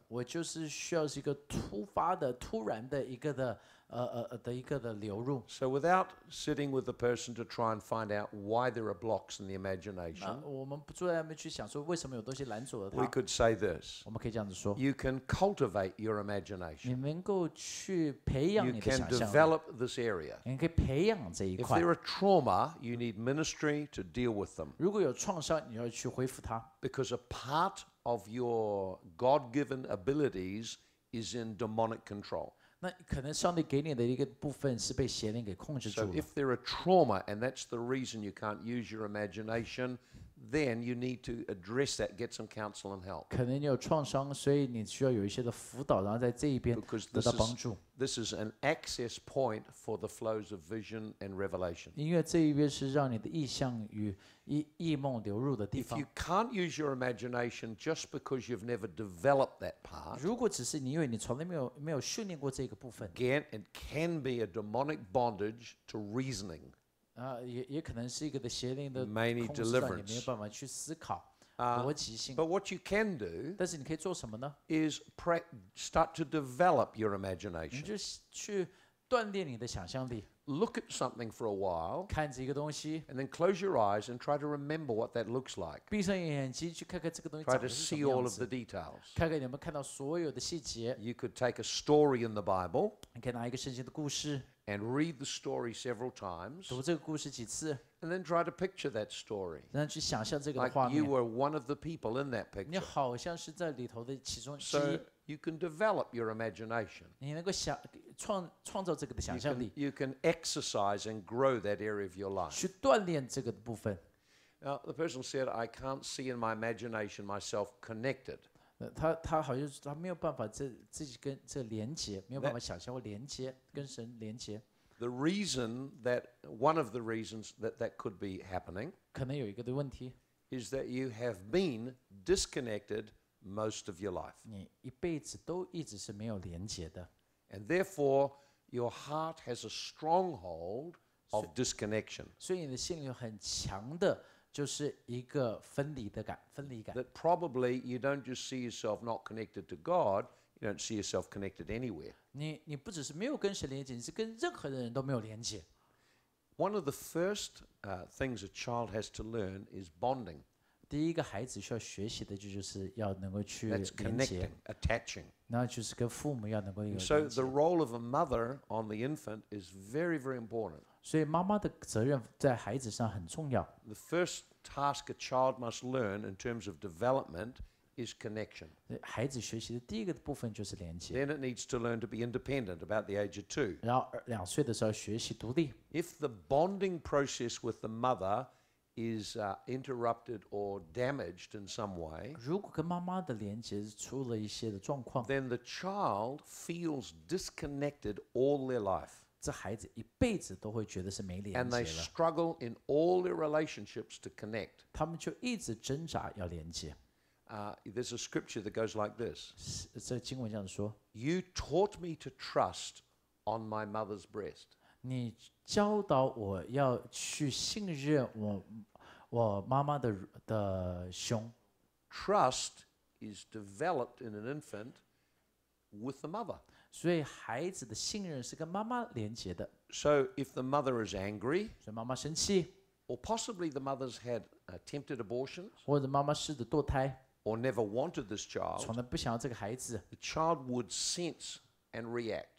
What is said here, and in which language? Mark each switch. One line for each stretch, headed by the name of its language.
Chinese: 我就是需要是一个突发的、突然的一个的的一个的流入。
English: So without sitting with the person to try and find out why there are blocks in the imagination,
Chinese: 我们不坐在那边去想说为什么有东西拦阻了他。
English: We could say this.
Chinese: 我们可以这样子说。
English: You can cultivate your imagination.
Chinese: 你能够去培养你的想象。
English: You can develop this area.
Chinese: 你可以培养这一块。
English: If there are trauma, you need ministry to deal with them.
Chinese: 如果有创伤，你要去恢复它。
English: Because a part of your God-given abilities is in demonic control.
Chinese: 那可能上帝给你的一个部分是被邪灵给控制住了。
English: So if there are trauma and that's the reason you can't use your imagination, then you need to address that, get some counsel and help.
Chinese: 可能你有创伤，所以你需要有一些的辅导，然后在这一边得到帮助。
English: This is an access point for the flows of vision and revelation.
Chinese: 因为这一边是让你的意象与异梦流入的地方。
English: If you can't use your imagination just because you've never developed that part,
Chinese: 如果只是你因为你从来没有训练过这个部分
English: ，again, it can be a demonic bondage to reasoning.
Chinese: 也可能是一个的邪灵的控制，
English: may need deliverance.
Chinese: 你没有办法去思考。
English: But what you can do is start to develop your imagination.
Chinese: 你就去锻炼你的想象力。
English: Look at something for a while,
Chinese: 看着一个东西
English: and then close your eyes and try to remember what that looks like.
Chinese: 闭上眼睛去看看这个东西长得是什么样子。
English: Try to see all of the details.
Chinese: 看看你们看到所有的细节。
English: You could take a story in the Bible.
Chinese: 你可以拿一个圣经的故事。
English: And read the story several times.
Chinese: 读这个故事几次。
English: And then try to picture that story.
Chinese: 然后去想象这个画面。
English: Like you were one of the people in that picture.
Chinese: 你好像是在里头的其中之一。
English: So you can develop your imagination.
Chinese: 你能够创造这个的想象力。
English: You can exercise and grow that area of your life.
Chinese: 去锻炼这个部分。
English: Now the person said, "I can't see in my imagination myself connected."
Chinese: 他好像他没有办法自己跟这连接，没有办法想象或连接跟神连接。
English: The reason that one of the reasons that could be happening
Chinese: 可能有一个的问题
English: is that you have been disconnected most of your life.
Chinese: 你一辈子都一直是没有连接的。
English: And therefore, your heart has a stronghold of disconnection.
Chinese: 所以你的心里有很强的就是一个分离的感，分离感。
English: That probably you don't just see yourself not connected to God, you don't see yourself connected anywhere.
Chinese: 你不只是没有跟谁连接，你是跟任何的人都没有连接。
English: One of the first things a child has to learn is bonding.
Chinese: 第一个孩子需要学习的就是要能够去连接。
English: That's connecting, attaching.
Chinese: 那就是跟父母要能够有连接。
English: So the role of a mother on the infant is very, very important.
Chinese: 所以妈妈的责任在孩子上很重要。
English: The first task a child must learn in terms of development. Is connection.
Chinese: 孩子学习的第一个部分就是连接。
English: Then it needs to learn to be independent about the age of two.
Chinese: 然后两岁的时候学习独立。
English: If the bonding process with the mother is interrupted or damaged in some way,
Chinese: 如果跟妈妈的连接出了一些的状况
English: ，then the child feels disconnected all their life.
Chinese: 这孩子一辈子都会觉得是没连接了。
English: And they struggle in all their relationships to connect.
Chinese: 他们就一直挣扎要连接。
English: There's a scripture that goes like this.
Chinese: 这经文这样说。
English: You taught me to trust on my mother's breast.
Chinese: 你教导我要去信任我妈妈的胸。
English: Trust is developed in an infant with the mother.
Chinese: 所以孩子的信任是跟妈妈连接的。
English: So if the mother is angry,
Chinese: 所以妈妈生气。
English: Or possibly the mother's had attempted abortions.
Chinese: 或者妈妈试着堕胎。
English: Or never wanted this child,
Chinese: 从来不想要这个孩子,
English: the child would sense and react.